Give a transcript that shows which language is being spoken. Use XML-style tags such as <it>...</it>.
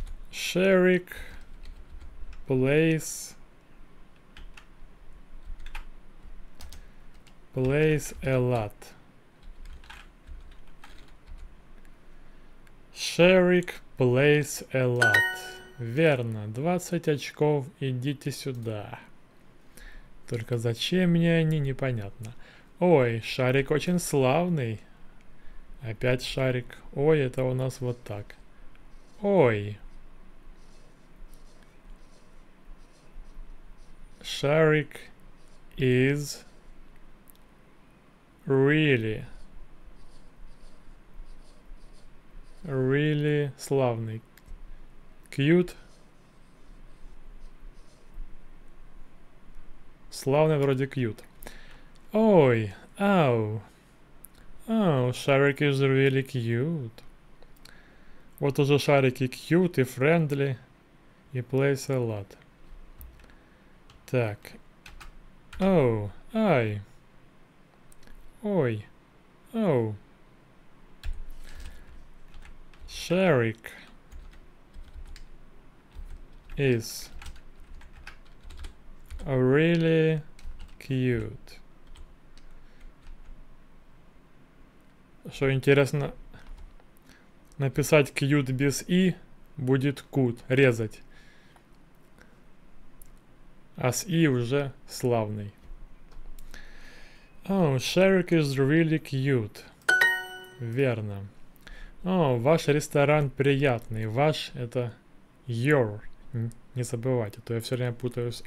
<en>Шерик plays a lot. Шерик plays a lot.</en> <ru>Верно. 20 очков, идите сюда. Только зачем мне они, непонятно. Ой, шарик очень славный. Опять шарик. Ой, это у нас вот так. Ой.</ru> <en>Шарик is really.</en> <ru>Really славный.</ru> <en>Cute.</en> <ru>Славный вроде cute. Ой, ау.</ru> <en>Ау, Шарик is really cute.</en> <ru>Вот уже Шарик и cute, и friendly, и</ru> <en>plays a lot.</en> <ru>Так. Ау, ай. Ой, ау.</ru> <en>Шарик is really cute.</en> <ru>Что интересно, написать cute без и будет cut, резать. А с и уже славный.</ru> <en>Oh, Шарик is really cute.</en> <ru>Верно. О, ваш ресторан приятный. Ваш — это your. Не забывайте, то я все время путаюсь.</ru>